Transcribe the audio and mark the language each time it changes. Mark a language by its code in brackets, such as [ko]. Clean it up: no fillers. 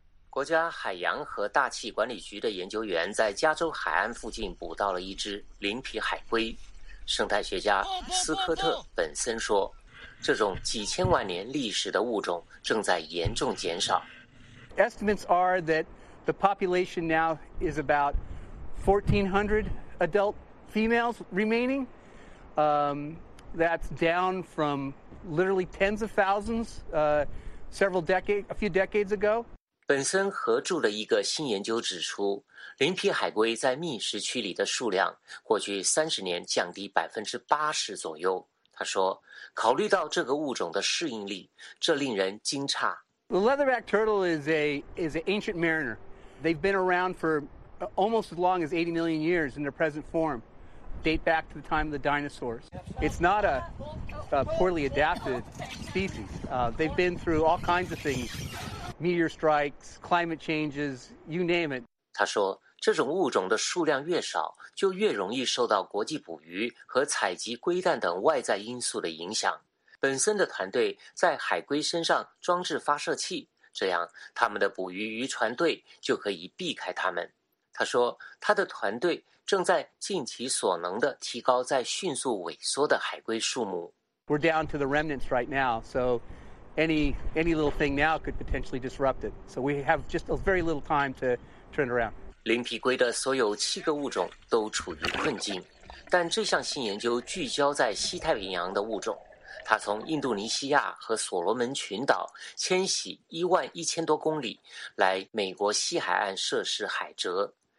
[zh] 国家海洋和大气管理局的研究员在加州海岸附近捕到了一只鳞皮海龟。生态学家斯科特·本森说，这种几千万年历史的物种正在严重减少。 [en] Estimates are that the population now is about 1,400 adult females remaining. That's down from literally tens of thousands a few decades ago. [zh] 本森合著的一个新研究指出，鳞皮海龟在觅食区里的数量过去30年降低80%左右。他说，考虑到这个物种的适应力，这令人惊诧。 [en] The leatherback turtle is an ancient mariner. They've been around for almost as long as 80 million years in their present form, date back to the time of the dinosaurs. It's not a poorly adapted species. They've been through all kinds of things, meteor strikes, climate changes, you name it. [zh] 他说，这种物种的数量越少，就越容易受到国际捕鱼和采集龟蛋等外在因素的影响。本森的团队在海龟身上装置发射器，这样他们的捕鱼渔船队就可以避开它们。他说，他的团队正在尽其所能地提高在迅速萎缩的海龟数目。 [en] We're down to the remnants right now, so any little thing now could potentially disrupt it. So we have just a very little time to turn around. [zh] 鳞皮龟的所有七个物种都处于困境，但这项新研究聚焦在西太平洋的物种。它从印度尼西亚和所罗门群岛迁徙11,000多公里来美国西海岸设施海蜇。